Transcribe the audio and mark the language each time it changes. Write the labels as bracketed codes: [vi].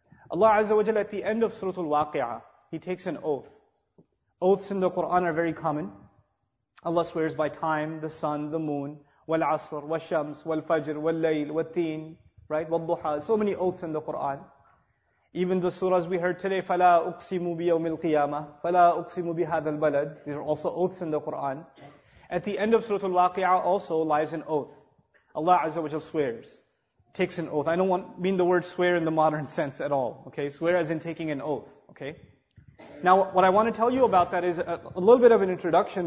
[en] Allah Azza wa Jalla, at the end of Surah Al-Waqi'ah, He takes an oath. Oaths in the Qur'an are very common. Allah swears by time, the sun, the moon, wal-asr, wal-shams, wal-fajr, wal-layl, wal-teen, right, wal-duha, so many oaths in the Qur'an. Even the surahs we heard today, [ar] فَلَا أُقْسِمُ بِيَوْمِ الْقِيَامَةِ فَلَا أُقْسِمُ بِهَذَا الْبَلَدِ. [en] These are also oaths in the Qur'an. At the end of Surah Al-Waqi'ah also lies an oath. Allah Azza wa Jal swears, takes an oath. I don't mean the word swear in the modern sense at all. Okay, swear as in taking an oath. Okay. Now what I want to tell you about that is a little bit of an introduction.